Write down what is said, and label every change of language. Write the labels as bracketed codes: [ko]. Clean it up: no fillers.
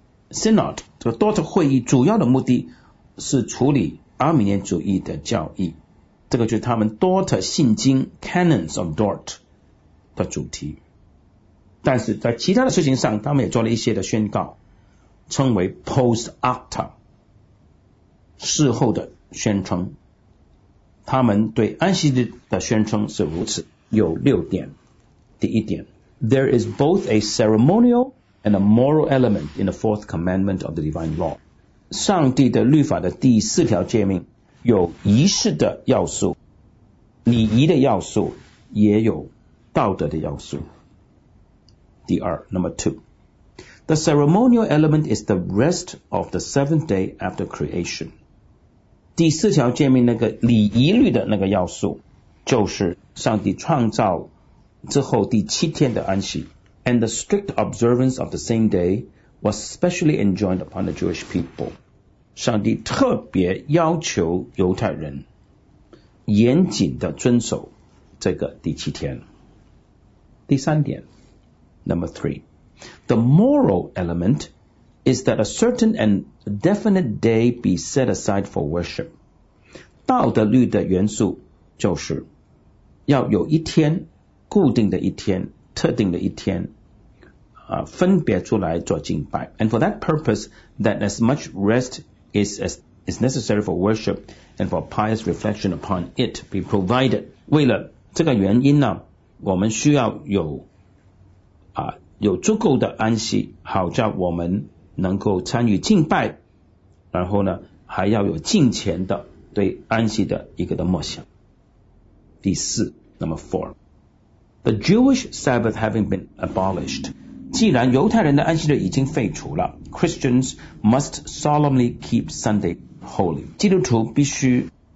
[zh] Synod 这个多特会议主要的目的是处理阿米念主义的教义，这个就是他们多特信经 Canons of Dort 的主题。但是在其他的事情上他们也做了一些的宣告，称为 Post Acta事后的宣称。他们对安息日的宣称是如此，有六点。第一点， [en] There is both a ceremonial and a moral element in the fourth commandment of the divine law. [zh] 上帝的律法的第四条诫命有仪式的要素，礼仪的要素也有道德的要素。第二 [en] ,number two, the ceremonial element is the rest of the seventh day after creation. [zh] 第四条诫命那个礼仪律的那个要素就是上帝创造之后第七天的安息。 [en] And the strict observance of the same day was specially enjoined upon the Jewish people. [zh] 上帝特别要求犹太人严谨地遵守这个第七天。第三点 , [en] number three. The moral element is that a certain and definite day be set aside for worship. [zh] 道德律的元素就是要有一天固定的一天特定的一天分别出来做敬拜。 [en] And for that purpose, that as much rest is necessary for worship and for pious reflection upon it be provided. [zh] 为了这个原因呢我们需要有足够的安息好叫我们能够参与敬拜然后呢还要有敬虔的对安息的一个的默想。第四 [en] ,number four. The Jewish Sabbath having been abolished, [zh] 既然犹太人的安息日已经废除了 [en] Christians must solemnly keep Sunday holy [zh] 基督徒必须